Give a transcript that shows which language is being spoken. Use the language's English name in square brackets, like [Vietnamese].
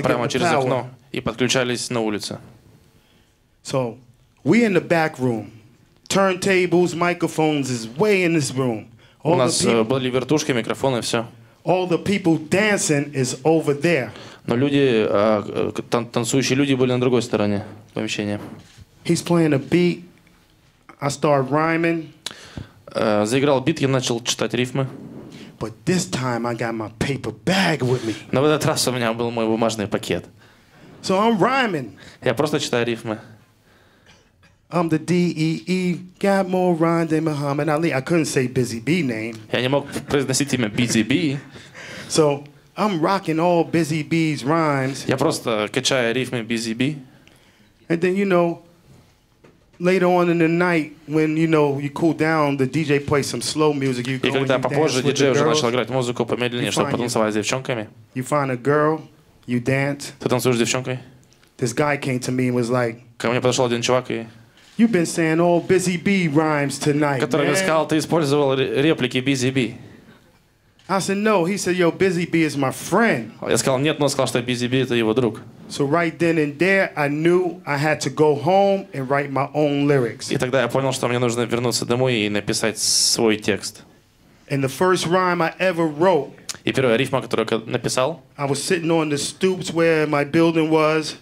[Russian] прямо через окно и подключались на улице. [English] So we in the back room, turntables, microphones is way in this room. [Russian] У нас были вертушки, микрофоны, все. [English] All the people dancing is over there. [Russian] Но люди, танцующие люди были на другой стороне помещения. [English] He's playing a beat. I start rhyming. [Russian] Заиграл бит, я начал читать рифмы. [English] But this time I got my paper bag with me. [Russian] Но в этот раз у меня был мой бумажный пакет. [English] So I'm rhyming. [Russian] Я просто читаю рифмы. [English] I'm the D-E-E, got more rhyme than Muhammad Ali. I couldn't say Busy B name. [Russian] Я не мог произносить имя Busy B. [English] So I'm rocking all Busy B's rhymes. [Russian] Я просто качаю рифмы Busy B. [English] And then, you know, later on in the night, when you know you cool down, the DJ plays some slow music. You go and you dance with the girls. You find, you find a girl, you dance. [Russian] Ты танцуешь с девчонкой? [English] This guy came to me and was like, [Russian] ко мне подошел один чувак и, [English] you've been saying all Busy B rhymes tonight, [Russian] который [English] man. [Russian] Который сказал, ты использовал реплики Busy B. [English] I said no. He said, yo, Busy B is my friend. [Russian] Я сказал нет, но он сказал, что Busy B это его друг. [English] So right then and there, I knew I had to go home and write my own lyrics. [Russian] И тогда я понял, что мне нужно вернуться домой и написать свой текст. [English] And the first rhyme I ever wrote. [Russian] И первая рифма, которую я написал. [English] I was sitting on the stoops where my building was.